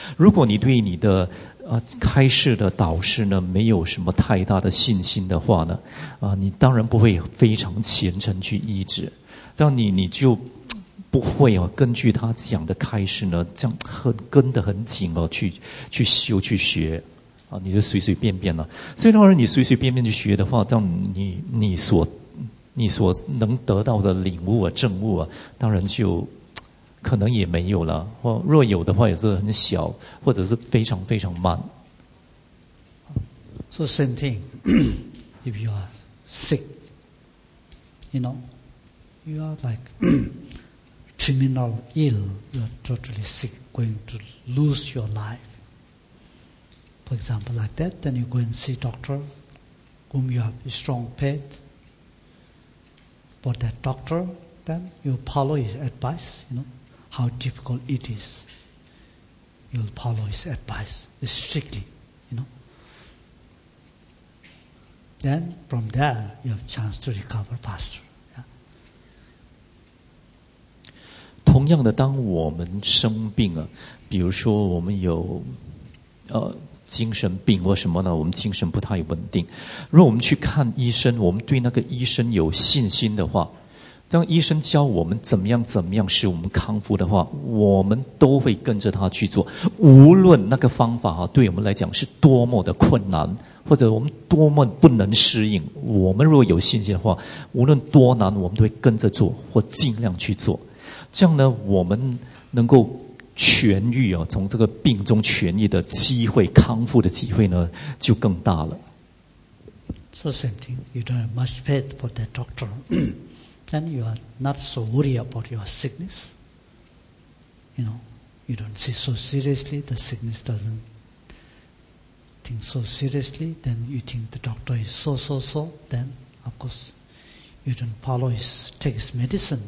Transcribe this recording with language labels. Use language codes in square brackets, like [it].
[zh] 如果你对你的开示的导师呢没有什么太大的信心的话呢你当然不会非常虔诚去医治，这样你就不会啊根据他讲的开示呢这样跟得很紧哦去修去学啊，你就随随便便了。所以当然你随随便便去学的话，这样你所能得到的领悟啊证悟啊当然就可能也没有了，或若有的话也是很小，或者是非常非常慢。 [en] So same thing, if you are sick, you know, you are like terminally ill, you are totally sick, going to lose your life. For example, like that, then you go and see doctor, whom you have a strong faith. For that doctor, then you follow his advice, you know. How difficult it is. You'll follow his advice strictly, you know. Then from there, you have chance to recover faster. Yeah. [zh] 同样的，当我们生病啊，比如说我们有精神病或什么呢，我们精神不太稳定。如果我们去看医生，我们对那个医生有信心的话，当医生教我们怎么样怎么样使我们康复的话，我们都会跟着他去做，无论那个方法对我们来讲是多么的困难，或者我们多么不能适应，我们如果有信心的话，无论多难我们都会跟着做或尽量去做，这样呢我们能够痊愈啊，从这个病中痊愈的机会，康复的机会呢就更大了。 [en] So same thing, you don't have much faith for that doctor. Then you are not so worried about your sickness. You know, you don't see so seriously, the sickness doesn't think so seriously, then you think the doctor is so, then of course you don't follow his, take his medicine.